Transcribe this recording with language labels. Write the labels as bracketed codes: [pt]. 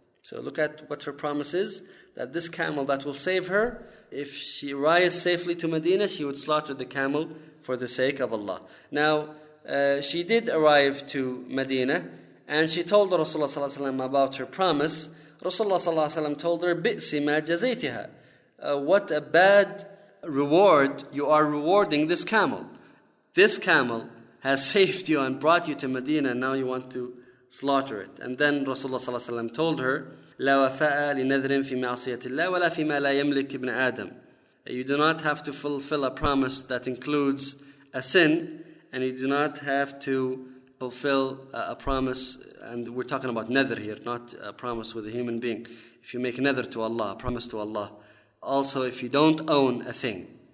[en] So look at what her promise is, that this camel that will save her, if she arrives safely to Medina, she would slaughter the camel for the sake of Allah. Now, she did arrive to Medina, and she told Rasulullah ﷺ about her promise. Rasulullah ﷺ told her, [ar] بِئْسِ مَا جَزَيْتِهَا. [en] What a bad reward you are rewarding this camel. This camel has saved you and brought you to Medina, and now you want to slaughter it. And then Rasulullah ﷺ told her, [ar] لَا وَفَاءَ لِنَذْرٍ فِي مَعْصِيَةِ اللَّهِ وَلَا فِي مَا لَا يَمْلِكِ ابْنَ آدَمَ. [en] You do not have to fulfill a promise that includes a sin, and you do not have to fulfill a promise, and we're talking about nadr here, not a promise with a human being. If you make nadr to Allah, a promise to Allah, also if you don't own a thing.